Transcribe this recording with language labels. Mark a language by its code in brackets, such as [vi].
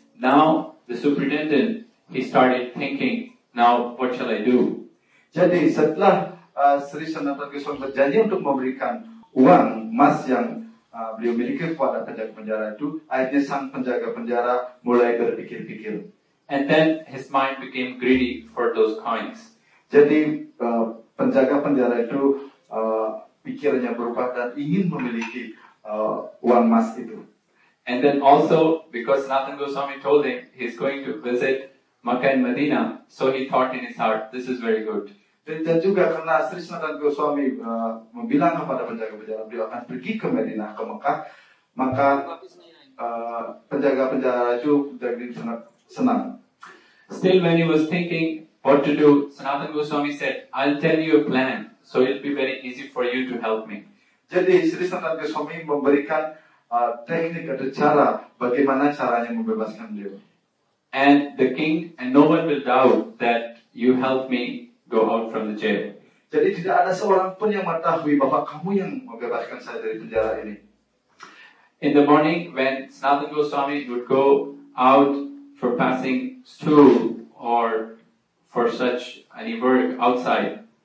[en] Now the superintendent, he started thinking, now what shall I do? [id] Jadi setelah Sri Sanatana Goswami berjanji untuk memberikan uang emas yang beliau miliki kepada penjaga penjara itu, akhirnya sang penjaga penjara mulai berpikir-pikir. [en] And then his mind became greedy for those coins. [id] Jadi penjaga penjara itu pikirannya berubah dan ingin memiliki uang emas itu. [en] And then also, because Sanatana Goswami told him he's going to visit Makkah and Medina, so he thought in his heart, this is very good. [id] Dan juga karena Sri Krishna dan Goswami membilang kepada penjaga-penjaga beliau akan pergi ke Medina, ke Mekah, maka penjaga-penjaga itu sangat senang. [en] Still when he was thinking what to do, Sanatana Goswami said, I'll tell you a plan, so it'll be very easy for you to help me. [id] Jadi Sri Krishna dan Goswami memberikan teknik atau cara bagaimana caranya membebaskan beliau. [en] And the king, and no one will doubt that you helped me go out from the jail. [id] Jadi tidak ada seorang pun yang mengetahui bahwa kamu yang membebaskan saya dari penjara ini. [en] In the morning, when Sanatana Goswami would go out for passing stool or for such any work outside.